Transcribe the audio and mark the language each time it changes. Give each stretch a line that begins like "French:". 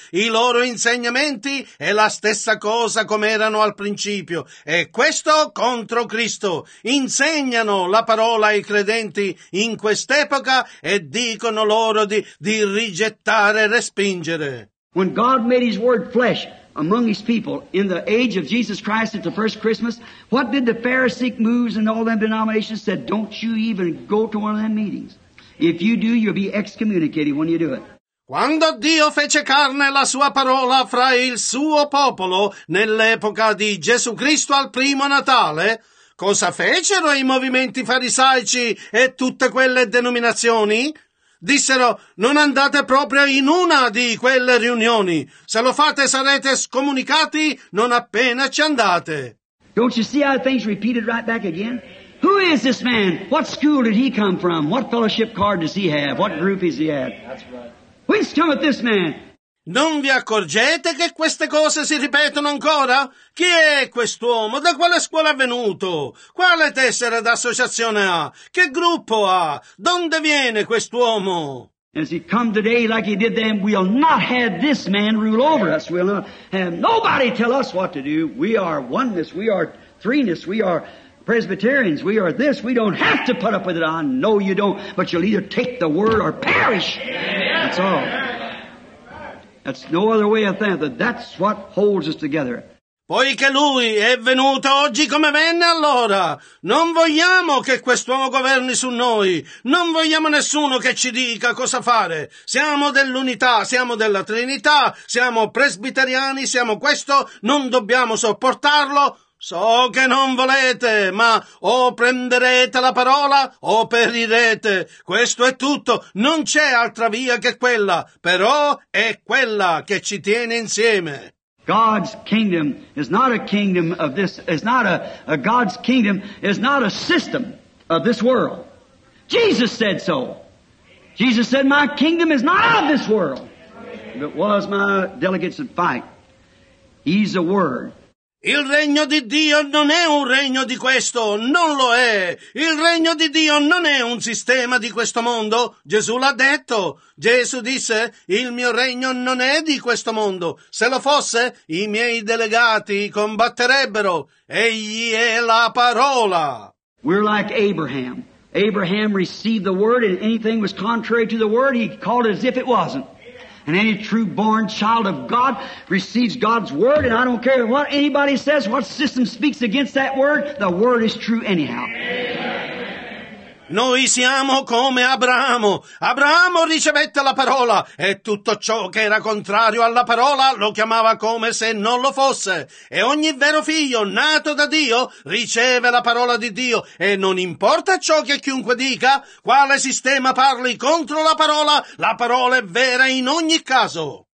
Italian: I loro insegnamenti è la stessa cosa come erano al principio. E questo contro Cristo. Insegnano la parola ai credenti in quest'epoca e dicono loro di rigettare e respingere.
English: When God made his word flesh among his people in the age of Jesus Christ at the first Christmas, what did the Pharisaic moves and all them denominations said? Don't you even go to one of them meetings. If you do, you'll be excommunicated when you do it.
Italian: Quando Dio fece carne la sua parola fra il suo popolo nell'epoca di Gesù Cristo al primo Natale, Cosa fecero i movimenti farisaici e tutte quelle denominazioni? Dissero: non andate proprio in una di quelle riunioni. Se lo fate sarete scomunicati non appena ci andate.
English: Don't you see how things repeated right back again? Who is this man? What school did he come from? What fellowship card does he have? What group is he at? Whence cometh this man?
Italian: Non vi accorgete che queste cose si ripetono ancora? Chi è quest'uomo? Da quale scuola è venuto? Quale tessera d'associazione ha? Che gruppo ha? Donde viene quest'uomo?
English: As he come today like he did then, we'll not have this man rule over us. We'll not have nobody tell us what to do. We are oneness, we are threeness, we are Presbyterians, we are this. We don't have to put up with it. I know you don't, but you'll either take the word or perish. That's all. That's no other way of thinking. That's what holds us together.
Italian: Poiché lui è venuto oggi come venne allora, non vogliamo che quest'uomo governi su noi, non vogliamo nessuno che ci dica cosa fare. Siamo dell'unità, siamo della Trinità, siamo presbiteriani, siamo questo, non dobbiamo sopportarlo. So che non volete, ma o prenderete la parola o perirete. Questo è tutto, non c'è altra via che quella, però è quella che ci tiene insieme.
English: God's kingdom is not a kingdom of this, is not a, God's kingdom is not a system of this world. Jesus said so. Jesus said, my kingdom is not of this world. If it was, my delegates would fight. He's the word.
Italian: Il regno di Dio non è un regno di questo, non lo è. Il regno di Dio non è un sistema di questo mondo. Gesù l'ha detto. Gesù disse, il mio regno non è di questo mondo. Se lo fosse, i miei delegati combatterebbero. Egli è la parola.
English: We're like Abraham. Abraham received the word, and anything was contrary to the word, he called it as if it wasn't. And any true born child of God receives God's word, and I don't care what anybody says, what system speaks against that word, the word is true anyhow.
Italian: Amen. Noi siamo come Abramo. Abramo ricevette la parola, e tutto ciò che era contrario alla parola lo chiamava come se non lo fosse. E ogni vero figlio nato da Dio riceve la parola di Dio, e non importa ciò che chiunque dica, quale sistema parli contro la parola è vera in ogni caso.